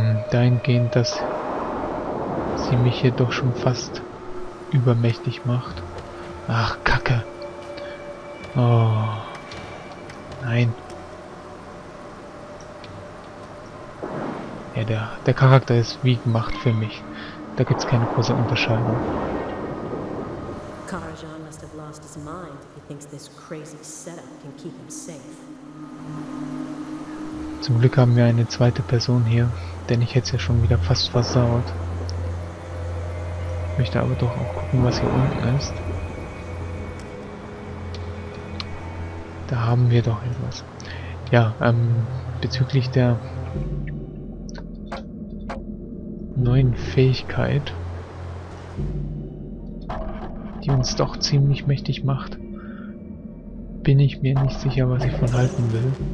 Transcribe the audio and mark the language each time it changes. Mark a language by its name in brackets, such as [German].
[German] Dahingehend, dass sie mich hier doch schon fast übermächtig macht. Ach, Kacke. Oh. Nein. Ja, der Charakter ist wie gemacht für mich. Da gibt es keine große Unterscheidung. [English] Karajan must have lost his mind if he thinks this crazy setup can keep him safe. [German] Zum Glück haben wir eine zweite Person hier, denn ich hätte es ja schon wieder fast versaut. Ich möchte aber doch auch gucken, was hier unten ist. Da haben wir doch etwas. Ja, bezüglich der neuen Fähigkeit, die uns doch ziemlich mächtig macht, bin ich mir nicht sicher, was ich von halten will.